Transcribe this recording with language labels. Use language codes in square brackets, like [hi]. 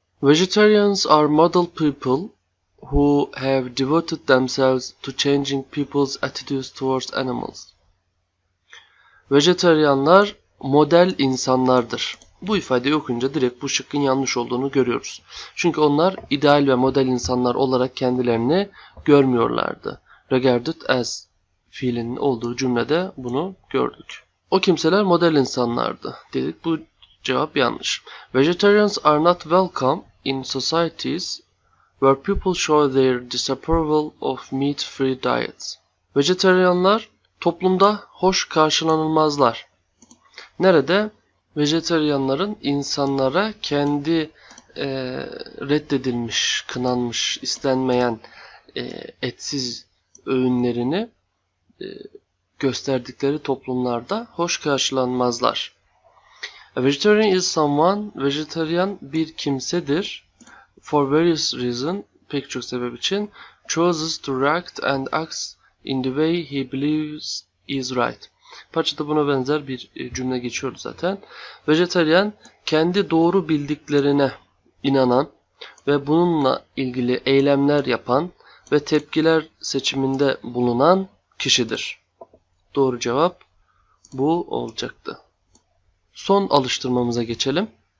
[en] Vegetarians are model people who have devoted themselves to changing people's attitudes towards animals. [tr] Vejetaryanlar model insanlardır. Bu ifadeyi okunca direkt bu şıkkın yanlış olduğunu görüyoruz. Çünkü onlar ideal ve model insanlar olarak kendilerini görmüyorlardı. Regarded as fiilinin olduğu cümlede bunu gördük. O kimseler model insanlardı dedik. Bu cevap yanlış. [en] Vegetarians are not welcome in societies where people show their disapproval of meat-free diets. [tr] Vejetaryanlar toplumda hoş karşılanılmazlar. Nerede? Vejetaryanların insanlara kendi reddedilmiş, kınanmış, istenmeyen etsiz öğünlerini gösterdikleri toplumlarda hoş karşılanmazlar. [en] A vegetarian is someone, [tr] vejetaryan bir kimsedir. [en] For various reasons, [tr] pek çok sebep için, [en] chooses to react and acts in the way he believes is right. [tr] Parçada buna benzer bir cümle geçiyordu zaten. Vejetaryen kendi doğru bildiklerine inanan ve bununla ilgili eylemler yapan ve tepkiler seçiminde bulunan kişidir. Doğru cevap bu olacaktı. Son alıştırmamıza geçelim.